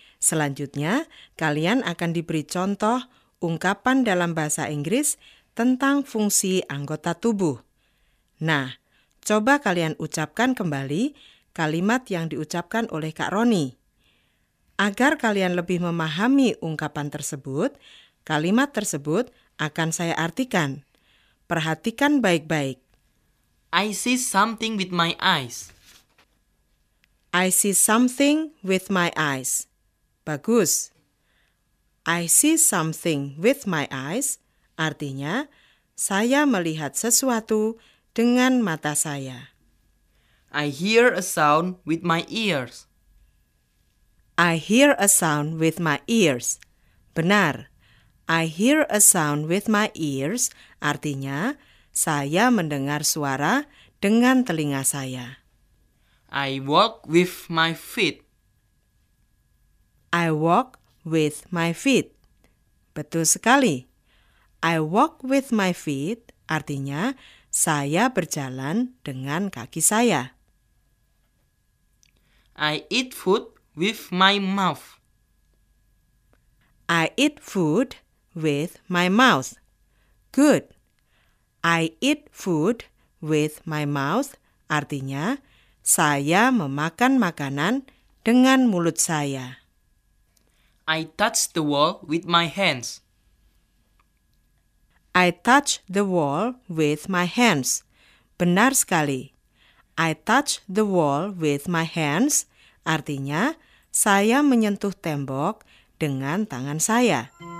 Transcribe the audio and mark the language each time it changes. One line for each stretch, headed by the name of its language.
Indonesian: Selanjutnya, kalian akan diberi contoh ungkapan dalam bahasa Inggris tentang fungsi anggota tubuh. Nah, coba kalian ucapkan kembali kalimat yang diucapkan oleh Kak Roni. Agar kalian lebih memahami ungkapan tersebut, kalimat tersebut akan saya artikan. Perhatikan baik-baik.
English: I see something with my eyes. I see something with my eyes.
Indonesian: Bagus.
English: I see something with my eyes.
Indonesian: Artinya, saya melihat sesuatu dengan mata saya.
English: I hear a sound with my ears. I hear a sound with my ears.
Indonesian: Benar.
English: I hear a sound with my ears.
Indonesian: Artinya, saya mendengar suara dengan telinga saya.
English: I walk with my feet. I walk with my feet.
Indonesian: Betul sekali.
English: I walk with my feet
Indonesian: artinya saya berjalan dengan kaki saya.
English: I eat food with my mouth. I eat food with my mouth. Good. I eat food with my mouth
Indonesian: artinya saya memakan makanan dengan mulut saya.
English: I touch the wall with my hands. I touch the wall with my hands.
Indonesian: Benar sekali.
English: I touch the wall with my hands.
Indonesian: Artinya, saya menyentuh tembok dengan tangan saya.